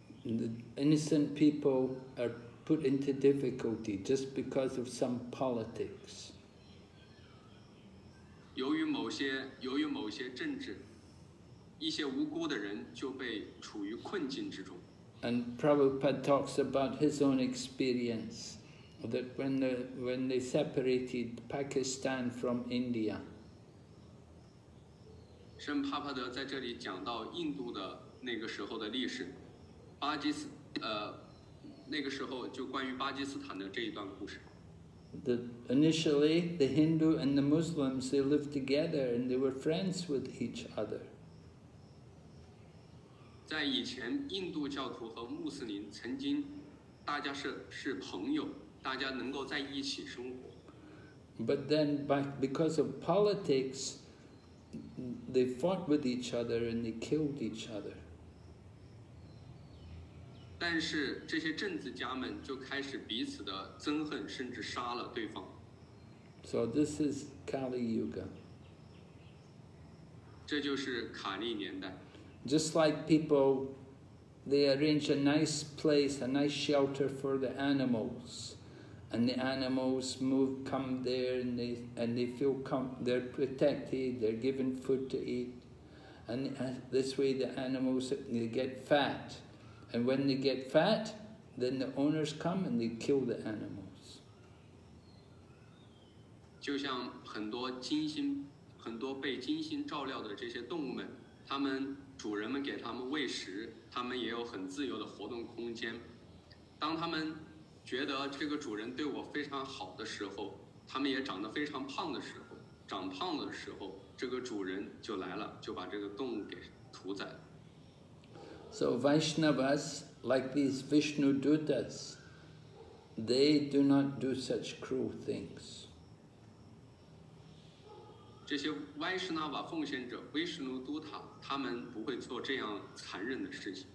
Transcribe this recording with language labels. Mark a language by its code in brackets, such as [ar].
[en] The innocent people are put into difficulty just because of some politics. [zh] 由于某些政治，一些无辜的人就被处于困境之中。 [en] And Prabhupada talks about his own experience that when they separated Pakistan from India. [zh] 圣帕帕德在这里讲到印度的那个时候的历史，巴基斯那个时候就关于巴基斯坦的这一段故事。 [en] The initially the Hindu and the Muslims they lived together and they were friends with each other. [zh] 在以前，印度教徒和穆斯林曾经大家是朋友，大家能够在一起生活。 [en] But then, because of politics, they fought with each other and they killed each other. [zh] 但是这些政治家们就开始彼此的憎恨，甚至杀了对方。 [en] So this is Kali Yuga. [zh] 这就是卡利年代。 [en] Just like people, they arrange a nice place, a nice shelter for the animals. And the animals move, come there, and they feel they're protected, they're given food to eat. And this way the animals, they get fat. And when they get fat, then the owners come and they kill the animals. [zh] 就像很多被精心照料的这些动物们，他们主人们给他们喂食，他们也有很自由的活动空间。当他们觉得这个主人对我非常好的时候，他们也长得非常胖的时候，长胖的时候，这个主人就来了，就把这个动物给屠宰了。 [en] So Vaishnavas, like these Vishnu Dutas, they do not do such cruel things. [zh] 这些 Vaishnava 奉献者 Vishnu Duta, 他们不会做这样残忍的事情。